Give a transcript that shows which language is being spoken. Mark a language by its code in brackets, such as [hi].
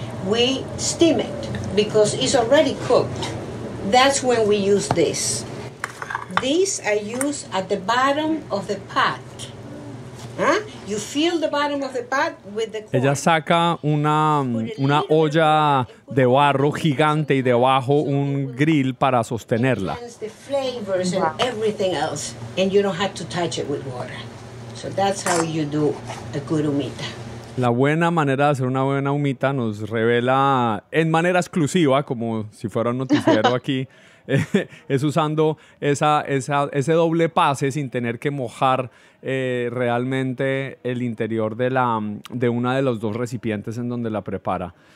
[en] We steam it because it's already cooked. That's when we use this. These are used at the bottom of the pot. Huh? You fill the bottom of the pot with the corn. [es] Ella saca una olla de barro gigante y debajo un grill para sostenerla. [en] The flavors and everything else, and you don't have to touch it with water. So that's how you do a good humita. [es] La buena manera de hacer una buena humita nos revela en manera exclusiva, como si fuera un noticiero aquí, es usando ese doble pase sin tener que mojar realmente el interior de una de los dos recipientes en donde la prepara.